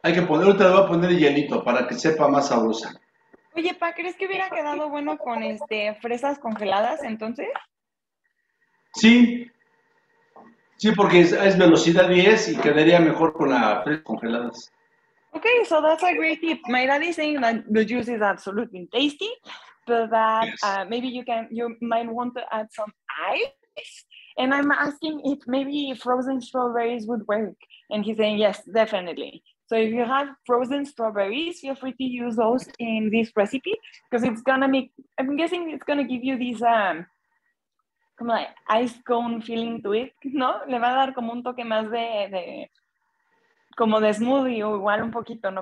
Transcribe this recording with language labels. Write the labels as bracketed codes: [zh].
[es] Hay que poner, ahorita le voy a poner hielito para que sepa más sabrosa. Oye, pa, ¿crees que hubiera quedado bueno con fresas congeladas entonces? Sí. Sí, porque es velocidad 10 y quedaría mejor con las fresas congeladas. [en] Ok, so that's a great tip. My daddy is saying that the juice is absolutely tasty, but that yes. Maybe you might want to add some ice. And I'm asking if maybe frozen strawberries would work. And he's saying, yes, definitely. So if you have frozen strawberries, feel free to use those in this recipe because it's going to make, I'm guessing it's going to give you this como like ice cone feeling to it, ¿no? [es] Le va a dar como un toque más de como de smoothie o igual un poquito, ¿no?